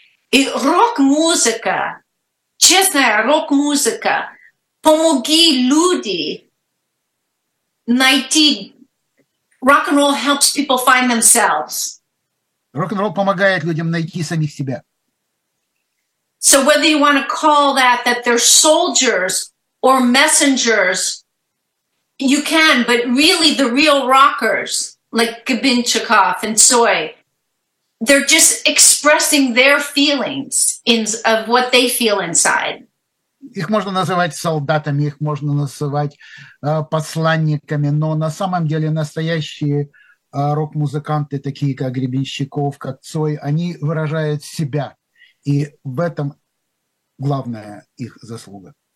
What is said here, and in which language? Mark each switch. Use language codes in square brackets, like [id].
[ru] И рок-музыка, честная рок-музыка, помоги люди найти... [en] Rock-н-ролл helps people find themselves. [ru] Рок-н-ролл помогает людям найти самих себя. [en] So whether you want to call that, that they're soldiers... or messengers, you can, but really the real rockers, like Gabinchikov and Soy, they're just expressing their feelings in of what they feel inside. [ru] Их можно называть солдатами, их можно называть посланниками, но на самом деле настоящие рок-музыканты, такие как Гребенщиков, как Цой, они выражают себя, и в этом главная их заслуга.